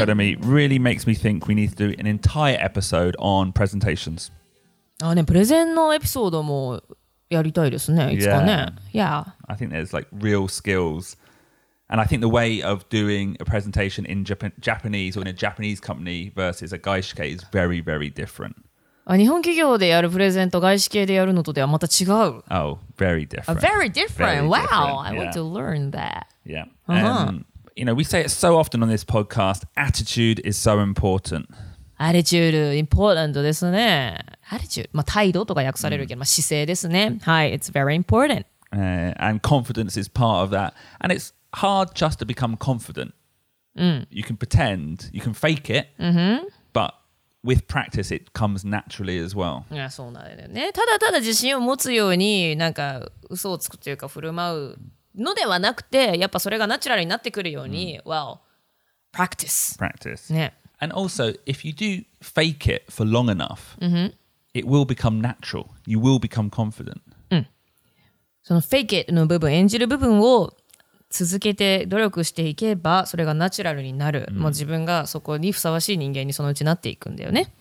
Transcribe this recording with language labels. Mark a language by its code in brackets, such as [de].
[en] Terumi, really makes me think we need to do an entire episode on presentations. [ja] Ah, ne, present no episode mo yaritai desu ne, itsuka ne. Yeah. [en] I think there's like real skills. And I think the way of doing a presentation in Japanese or in a Japanese company versus a gaishike is very, very different. [ja] あ、日本企業でやるプレゼント、外資系でやるのとではまた違う。 [en] Oh, very different. Very different. Very different. Wow, yeah. I want to learn that. Yeah. Uh-huh. You know, we say it so often on this podcast, attitude is so important. Attitude, important [ja] ですね。Attitude, まあ態度とか訳されるけど、まあ姿勢ですね。 [en] はい、it's very important. And confidence is part of that. And it's hard just to become confident. You can pretend, you can fake it, but with practice, it comes naturally as well. [ja] いや、そうなんだよね。ただただ自信を持つように、なんか嘘をつくというか振る舞う。のではなくて、やっぱそれがナチュラルになってくるように、 [en] well, practice. Practice. [ja] ね。 [en] And also, if you do fake it for long enough, it will become natural. You will become confident. [ja] その fake it の部分、演じる部分を続けて努力していけば、それがナチュラルになる。もう自分がそこにふさわしい人間にそのうちなっていくんだよね。